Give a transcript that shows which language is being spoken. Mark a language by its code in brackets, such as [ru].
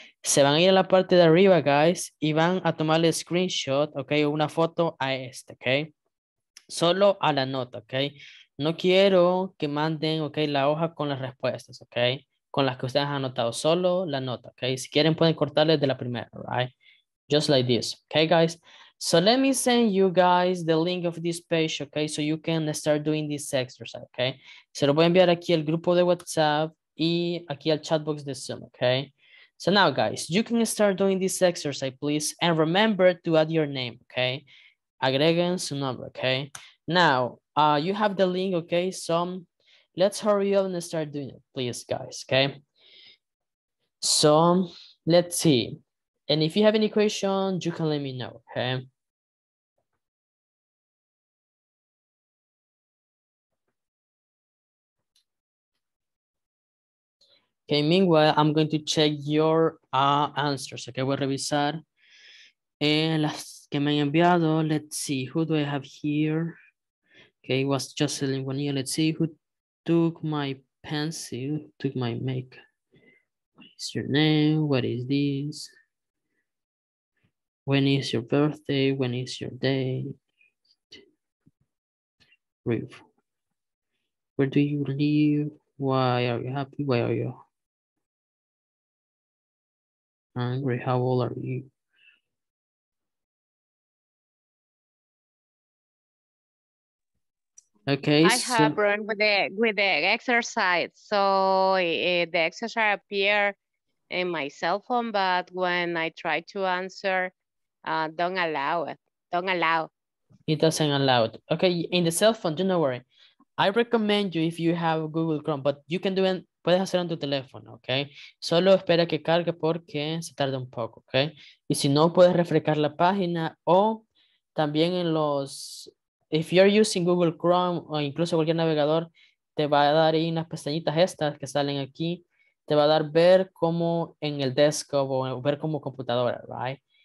[es] Se van a ir a la parte de arriba, guys, y van a tomarle screenshot, okay, o una foto a este, okay? Solo a la nota, okay? No quiero que manden, okay, la hoja con las respuestas, okay? Con las que ustedes han anotado, solo la nota, okay? Si quieren pueden cortarles de la primera, right? [en] Just like this, okay, guys? So let me send you guys the link of this page, okay? So you can start doing this exercise, okay? [es] Se lo voy a enviar aquí al grupo de WhatsApp y aquí al chat box de Zoom, okay? [en] So now, guys, you can start doing this exercise, please. And remember to add your name, okay? [es] Agreguen su nombre, [en] okay? Now, you have the link, okay? So let's hurry up and start doing it, please, guys, okay? So let's see. And if you have any questions, you can let me know, okay? Okay, meanwhile, I'm going to check your answers, okay? [es] Voy a revisar las que me han enviado. [en] Let's see, who do I have here? Okay, it was Jocelyn Bonilla. Let's see, who took my pencil, took my make? What is your name? What is this? When is your birthday? When is your day? Where do you live? Why are you happy? Why are you angry? How old are you? Okay, I have a problem with the exercise. So the exercise appear in my cell phone, but when I try to answer, don't allow. It doesn't allow it. Okay, in the cell phone, don't worry. I recommend you if you have Google Chrome, but you can do it. [es] Puedes hacer en tu teléfono, okay? Solo espera que cargue porque se tarda un poco, okay? Y si no, puedes refrescar la página o también en los... [en] If you're using Google Chrome [es] o incluso cualquier navegador, te va a dar ahí unas pestañitas estas que salen aquí. Te va a dar ver como en el desktop o ver como computadora, right?